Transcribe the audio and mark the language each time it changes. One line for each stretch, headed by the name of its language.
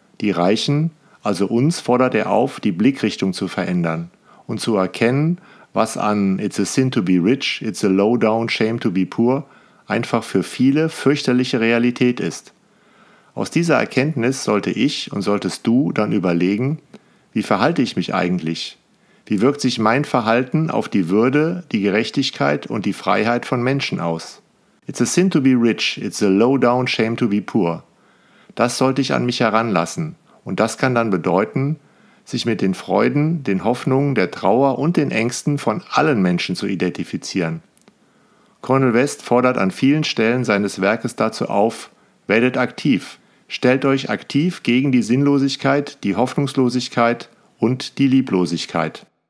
German: Die Reichen, also uns, fordert er auf, die Blickrichtung zu verändern und zu erkennen, was an
English: It's a sin to be rich, it's a low down shame to be poor
German: einfach für viele fürchterliche Realität ist. Aus dieser Erkenntnis sollte ich und solltest du dann überlegen, wie verhalte ich mich eigentlich? Wie wirkt sich mein Verhalten auf die Würde, die Gerechtigkeit und die Freiheit von Menschen aus?
English: It's a sin to be rich, it's a low down shame to be poor.
German: Das sollte ich an mich heranlassen und das kann dann bedeuten, sich mit den Freuden, den Hoffnungen, der Trauer und den Ängsten von allen Menschen zu identifizieren. Cornel West fordert an vielen Stellen seines Werkes dazu auf, werdet aktiv, stellt euch aktiv gegen die Sinnlosigkeit, die Hoffnungslosigkeit und die Lieblosigkeit.